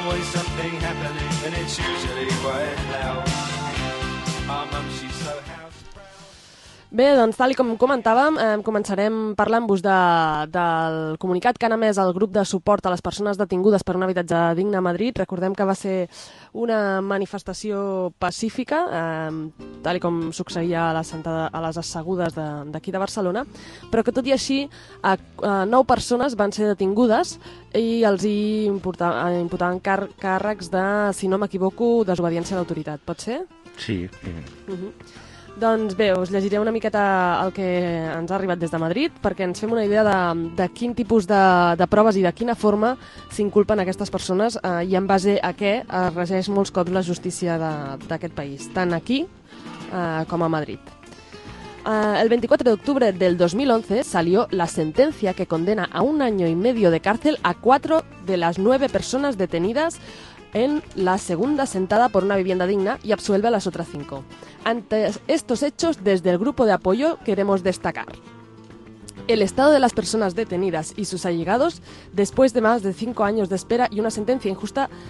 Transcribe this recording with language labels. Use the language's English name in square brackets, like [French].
[English] Something happening and it's usually quite loud. Our mum, she's so house proud. [Catalan] Bé, doncs, tal com comentàvem, començarem parlant-vos del comunicat que han emès el grup de suport a les persones detingudes per un habitatge digne a Madrid. Recordem que va ser una manifestació pacífica, tal com succeïa a les assegudes d'aquí de Barcelona, però que tot i així 9 persones van ser detingudes i els hi imputaven càrrecs de, si no m'equivoco, desobediència a l'autoritat. Pot ser? Sí. Doncs bé, us llegiré una miqueta el que ens ha arribat des de Madrid perquè ens fem una idea de quin tipus de proves i de quina forma s'inculpen aquestes persones i en base a què es regeix molts cops la justícia d'aquest país, tant aquí com a Madrid. [Spanish] El 24 de octubre del 2011 salió la sentencia que condena a 1 año y medio de cárcel a 4 de las 9 personas detenidas en la segunda sentada por una vivienda digna y absuelve a las otras 5. Ante estos hechos, desde el grupo de apoyo queremos destacar el estado de las personas detenidas y sus allegados después de más de 5 años de espera y una sentencia injusta.